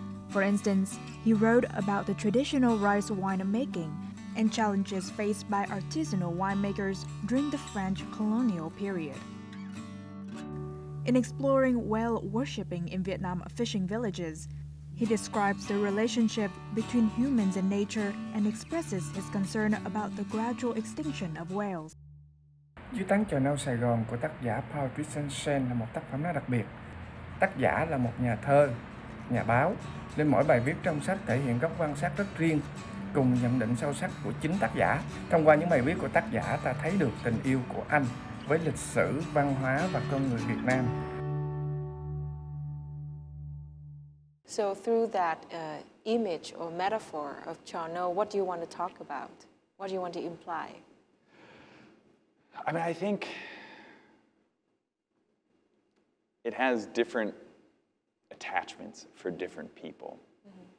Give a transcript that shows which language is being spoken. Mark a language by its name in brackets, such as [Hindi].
[English] For instance, he wrote about the traditional rice winemaking and challenges faced by artisanal winemakers during the French colonial period. In exploring whale worshipping in Vietnam fishing villages, he describes the relationship between humans and nature and expresses his concern about the gradual extinction of whales. [Vietnamese] Dưới tán Chò Nâu Sài Gòn của tác giả Paul Christiansen là một tác phẩm rất đặc biệt. Tác giả là một nhà thơ, nhà báo, nên mỗi bài viết trong sách thể hiện góc quan sát rất riêng cùng nhận định sâu sắc của chính tác giả. Thông qua những bài viết của tác giả, ta thấy được tình yêu của anh với lịch sử, văn hóa và con người Việt Nam. [English] So through that image or metaphor of Cho Nô, what do you want to talk about? What do you want to imply? I mean, I think it has different attachments for different people. Mm-hmm.